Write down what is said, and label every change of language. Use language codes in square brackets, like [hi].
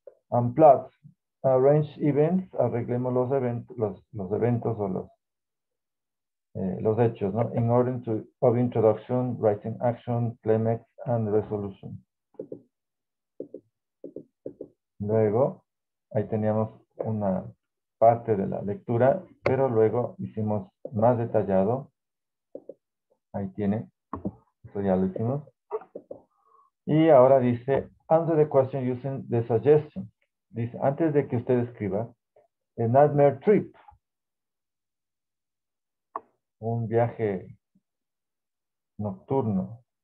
[en] And plot, arrange events, [es] arreglemos los hechos, ¿no? [en] In order to of introduction, writing action, climax, and resolution. [es] Luego, ahí teníamos una parte de la lectura, pero luego hicimos más detallado. Ahí tiene, eso ya lo hicimos. Y ahora dice, [en] answer the question using the suggestion. [es] Dice, antes de que usted escriba, [en] a nightmare trip. [es] Un viaje nocturno.